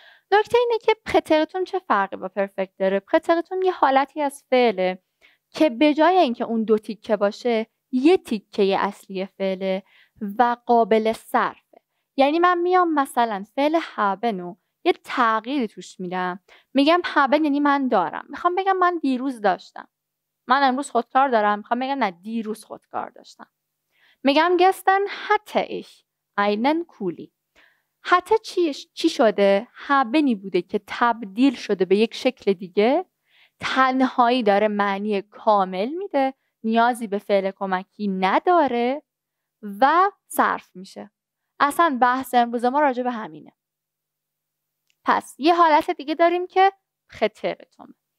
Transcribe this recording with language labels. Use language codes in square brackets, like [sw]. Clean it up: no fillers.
[fa] نکته اینه که پرتریتوم چه فرقی با پرفکت داره؟ پرتریتوم یه حالتی از فعله که به جای اینکه اون دو تیکه باشه، یه تیکه اصلی فعله و قابل صرف. یعنی من میام مثلا فعل haben رو یه تغییری توش میدم، میگم haben یعنی من دارم، میخوام بگم من دیروز داشتم، من امروز خودکار دارم، میخوام بگم نه دیروز خودکار داشتم. میگم [de] gestern hatte ich einen Kuli. [fa] hatte چی شده؟ haben بوده که تبدیل شده به یک شکل دیگه، تنهایی داره معنی کامل میده، نیازی به فعل کمکی نداره و صرف میشه. اصلا بحث امروز ما راجع به همینه. پس یه حالت دیگه داریم که پرتریتوم.